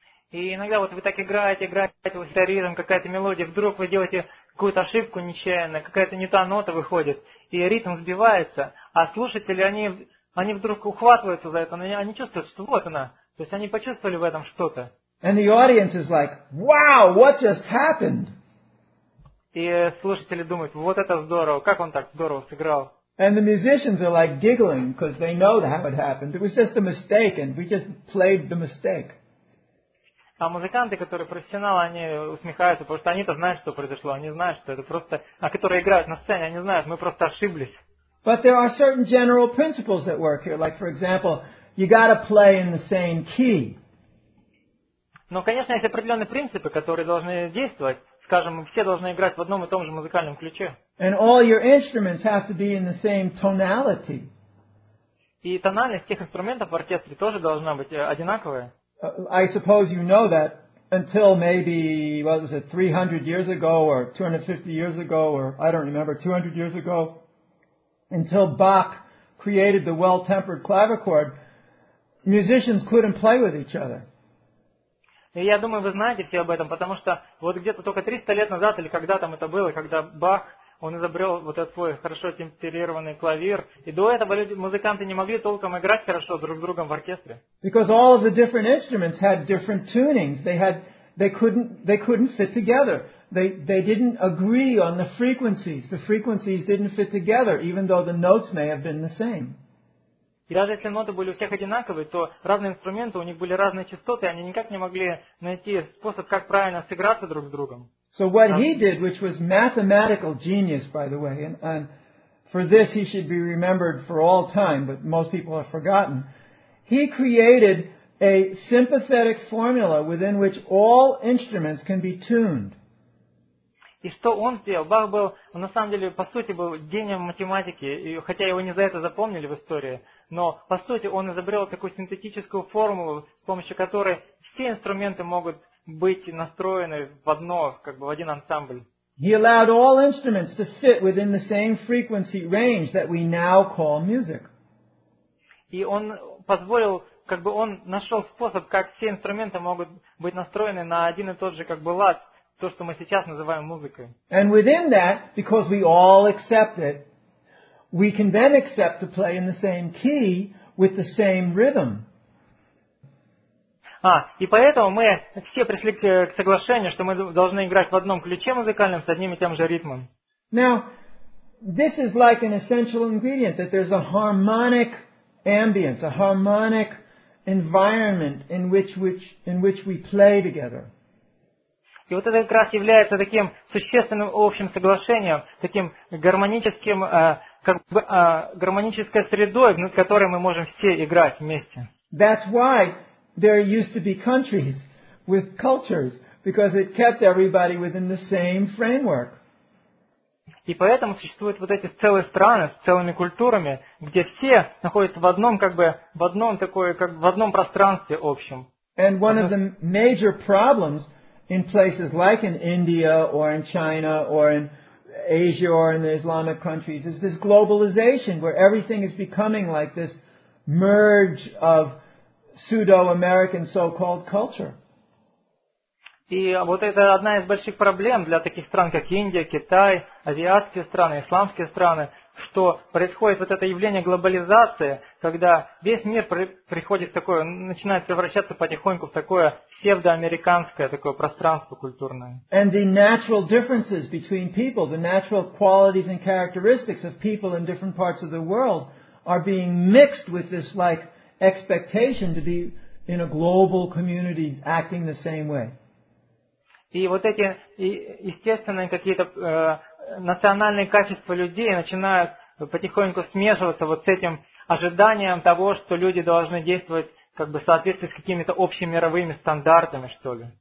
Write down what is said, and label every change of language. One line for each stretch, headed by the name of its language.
Russian: И иногда вот вы так играете, вот ритм, какая-то мелодия, вдруг вы делаете какую-то ошибку нечаянно, какая-то не та нота выходит, и ритм сбивается, а слушатели, они вдруг ухватываются за это, они чувствуют, что вот она, то есть они почувствовали в этом что-то.
English: And the audience is like, wow, what just happened?
Russian: И слушатели думают, вот это здорово, как он так здорово сыграл.
English: And the musicians are like giggling, because they know how it happened. It was just a mistake, and we just played the mistake.
Russian: А музыканты, которые профессионалы, они усмехаются, потому что они-то знают, что произошло, они знают, что это просто... А которые играют на сцене, они знают, мы просто ошиблись.
English: But there are certain general principles that work here. Like, for example, you gotta play in the same key.
Russian: Но, конечно, есть определенные принципы, которые должны действовать. Скажем, мы все должны играть в одном и том же музыкальном ключе.
English: And all your instruments have to be in the same tonality.
Russian: И тональность всех инструментов в оркестре тоже должна быть одинаковая.
English: I suppose you know that until maybe, what was it, 300 years ago or 250 years ago or I don't remember, 200 years ago, until Bach created the well-tempered clavichord, musicians couldn't play with each other.
Russian: И я думаю, вы знаете все об этом, потому что вот где-то только 300 лет назад или когда там это было, когда Бах, он изобрел вот этот свой хорошо темперированный клавир. И до этого люди, музыканты не могли толком играть хорошо друг с другом в оркестре.
English: Because all of the different instruments had different tunings. They couldn't fit together. They didn't agree on the frequencies. The frequencies didn't fit together, even though the notes may have been the same.
Russian: И даже если ноты были у всех одинаковые, то разные инструменты, у них были разные частоты, они никак не могли найти способ, как правильно сыграться друг с другом.
English: So what he did, which was mathematical genius, by the way, and for this he should be remembered for all time, but most people have forgotten, he created a sympathetic formula within which all instruments can be tuned.
Russian: И что он сделал? Бах был, он на самом деле, по сути, был гением математики, и хотя его не за это запомнили в истории, но, по сути, он изобрел такую синтетическую формулу, с помощью которой все инструменты могут быть настроены в одно, как бы в один ансамбль.
English: He allowed all instruments to fit within the same frequency range that we now call music.
Russian: И он позволил, как бы он нашел способ, как все инструменты могут быть настроены на один и тот же, как бы, лад, то, что мы сейчас называем музыкой.
English: And within that, because we all accept it, we can then accept to play in the same key with the same rhythm.
Russian: А, и поэтому мы все пришли к соглашению, что мы должны играть в одном ключе музыкальном с одним и тем же ритмом.
English: Now, this is like an essential ingredient, that there's a harmonic ambience, a harmonic environment in which we play together.
Russian: И вот это как раз является таким существенным общим соглашением, таким гармоническим, гармонической средой, в которой мы можем все играть вместе.
English: That's why there used to be countries with cultures, because it kept everybody within the same framework.
Russian: И поэтому существуют вот эти целые страны с целыми культурами, где все находятся в одном, как бы, в одном такое, как в одном пространстве общем.
English: And one of the major problems in places like in India or in China or in Asia or in the Islamic countries is this globalization where everything is becoming like this merge of pseudo-American so-called culture.
Russian: И вот это одна из больших проблем для таких стран, как Индия, Китай, азиатские страны, исламские страны, что происходит вот это явление глобализации, когда весь мир приходит в такое, начинает превращаться потихоньку в такое псевдоамериканское такое пространство культурное.
English: And the natural differences between people, the natural qualities and characteristics of people in different parts of the world are being mixed with this like expectation to be in a global community acting the same way.
Russian: И вот эти естественные какие-то национальные качества людей начинают потихоньку смешиваться вот с этим ожиданием того, что люди должны действовать как бы в соответствии с какими-то общемировыми стандартами, что ли.